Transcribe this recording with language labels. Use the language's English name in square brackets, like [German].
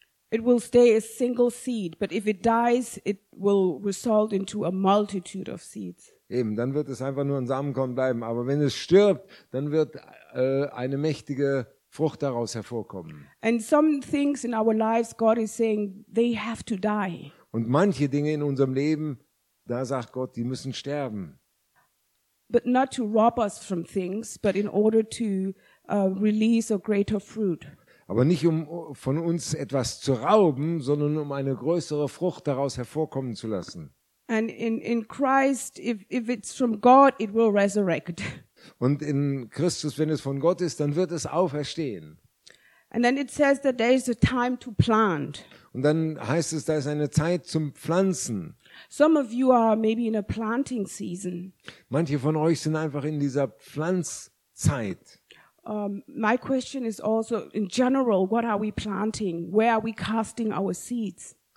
[English] it will stay a single seed, but if it dies, it will result into a multitude of seeds. [German] Eben, dann wird es einfach nur ein Samenkorn bleiben. Aber wenn es stirbt, dann wird eine mächtige Frucht daraus hervorkommen. [English] And some things in our lives, God is saying, they have to die. [German] Und manche Dinge in unserem Leben, da sagt Gott, die müssen sterben. [English] But not to rob us from things, but in order to release a greater fruit. [German] Aber nicht um von uns etwas zu rauben, sondern um eine größere Frucht daraus hervorkommen zu lassen. [English] And in Christ, if it's from God, it will resurrect. [German] Und in Christus, wenn es von Gott ist, dann wird es auferstehen. [English] And then it says that there is a time to plant. [German] Und dann heißt es, da ist eine Zeit zum Pflanzen. [English] Some of you are maybe in a planting season. [German] Manche von euch sind einfach in dieser Pflanzzeit. [English] My question is also in general, what are we planting? Where are we casting our seeds?